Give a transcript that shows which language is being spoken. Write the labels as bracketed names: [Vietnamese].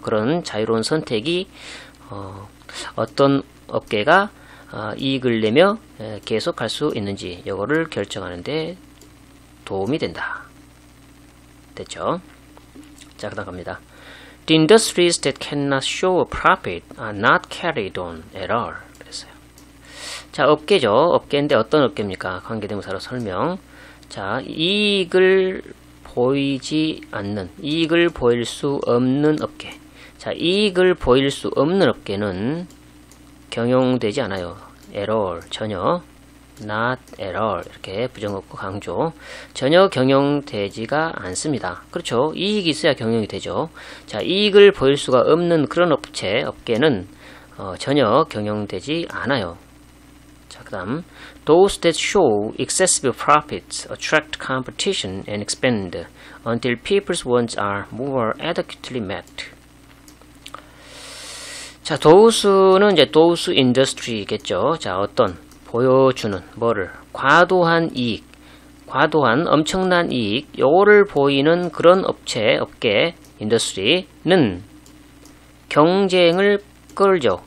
[Korean] 그런 자유로운 선택이 어떤 업계가 이익을 내며 계속할 수 있는지 이거를 결정하는 데 도움이 된다. 됐죠? 자, 그 다음 갑니다. [English] The industries that cannot show a profit are not carried on at all. [Korean] 그랬어요. 자, 업계죠. 업계인데 어떤 업계입니까? 관계대명사로 설명. 자, 이익을 보이지 않는, 이익을 보일 수 없는 업계. 자, 이익을 보일 수 없는 업계는 경영되지 않아요. at all, 전혀. not at all. 이렇게 부정없고 강조. 전혀 경영되지가 않습니다. 그렇죠. 이익이 있어야 경영이 되죠. 자, 이익을 보일 수가 없는 그런 업체, 업계는 전혀 경영되지 않아요. 자, 그 다음. [English] Those that show excessive profits attract competition and expand until people's wants are more adequately met. [Korean] 자, 도우스는 이제 도우스 인더스트리겠죠. 자, 어떤 보여주는 뭐를 과도한 이익, 과도한 엄청난 이익 요거를 보이는 그런 업체, 업계, 인더스트리는 경쟁을 끌죠.